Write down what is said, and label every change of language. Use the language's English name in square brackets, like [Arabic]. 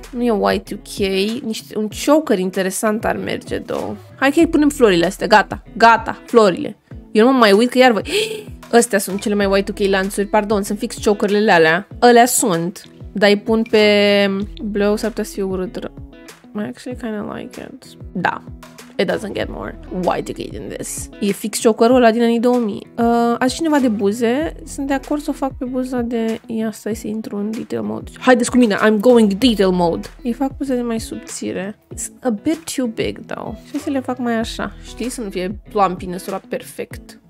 [Romanian] Nu e Y2K, niște, un choker interesant ar merge, două. Hai că îi punem florile astea, gata, florile. Eu nu mă mai uit că iar voi... Astea sunt cele mai Y2K lanțuri, pardon, sunt fix chokerile alea. Alea sunt, dar îi pun pe... Bleu s-ar putea să fie urât. [English] I actually kind of like it. Da. It doesn't get more Y2K than this. [Romanian] E fix chokerul ăla din anii 2000. Azi cineva de buze? Sunt de acord să o fac pe buza de... Ia, stai să intru în detail mode. Haideți cu mine, [English] I'm going detail mode. [Romanian] Îi fac buze de mai subțire. [English] It's a bit too big, though. [Romanian] Și să le fac mai așa. Știi, să nu fie plumpiness-ul ăla perfect.